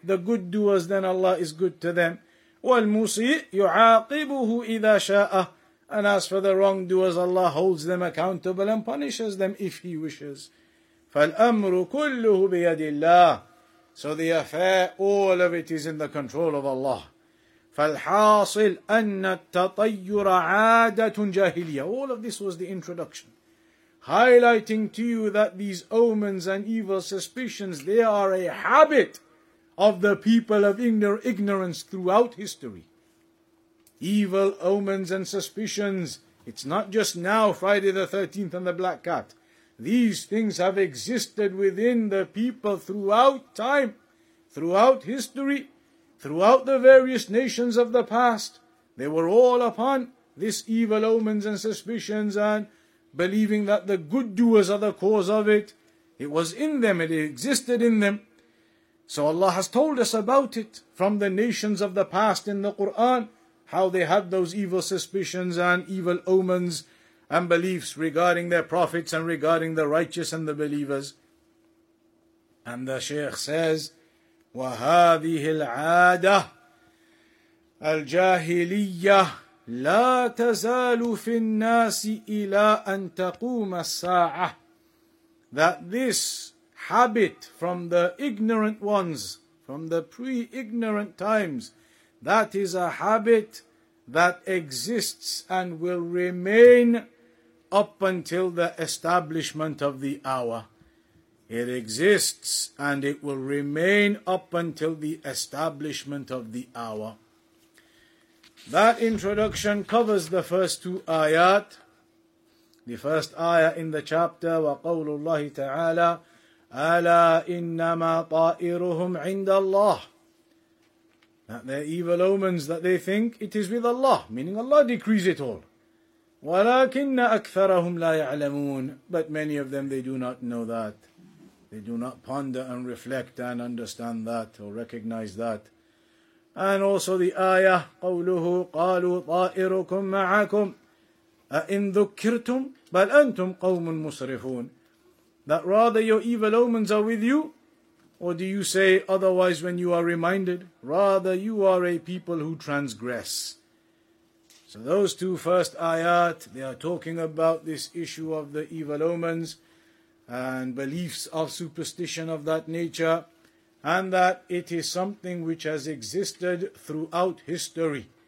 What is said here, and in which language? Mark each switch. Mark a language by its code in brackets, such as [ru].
[en] The good doers, then Allah is good to them. [ar] والمسيء يعاقبه إذا شاء. [en] And as for the wrongdoers, Allah holds them accountable and punishes them if He wishes. [ar] فالأمر كله بيد الله. [en] So the affair, all of it is in the control of Allah. [ar] فالحاصل أن التطير عادة جاهلية. [en] All of this was the introduction, highlighting to you that these omens and evil suspicions, they are a habit of the people of ignorance throughout history. Evil omens and suspicions, it's not just now, Friday the 13th and the black cat. These things have existed within the people throughout time, throughout history, throughout the various nations of the past. They were all upon this evil omens and suspicions and believing that the good doers are the cause of it. It was in them, it existed in them. So Allah has told us about it from the nations of the past in the Quran, how they had those evil suspicions and evil omens and beliefs regarding their prophets and regarding the righteous and the believers. And the Shaykh says, [ar] وَهَذِهِ الْعَادَةِ الْجَاهِلِيَّةِ لا تزال في الناس إلى أن تقوم الساعة. [en] That this habit from the ignorant ones, from the pre-ignorant times, that is a habit that exists and will remain up until the establishment of the hour. It exists and it will remain up until the establishment of the hour. That introduction covers the first two ayat. The first ayah in the chapter, [ar] وَقَوْلُ اللَّهِ تَعَالَى أَلَا إِنَّمَا طَائِرُهُمْ عِنْدَ اللَّهِ. [en] That their evil omens, that they think it is with Allah, meaning Allah decrees it all. [ar] وَلَكِنَّ أَكْثَرَهُمْ لَا يَعْلَمُونَ. [en] But many of them, they do not know that. They do not ponder and reflect and understand that or recognize that. And also the ayah, [ar] قَوْلُهُ قَالُوا طَائِرُكُمْ مَعَكُمْ أَإِنْ ذُكِّرْتُمْ بَلْ أَنْتُمْ قَوْمٌ مُسْرِفُونَ. [en] That rather your evil omens are with you, or do you say otherwise when you are reminded? Rather you are a people who transgress. So those two first ayat, they are talking about this issue of the evil omens and beliefs of superstition of that nature, and that it is something which has existed throughout history,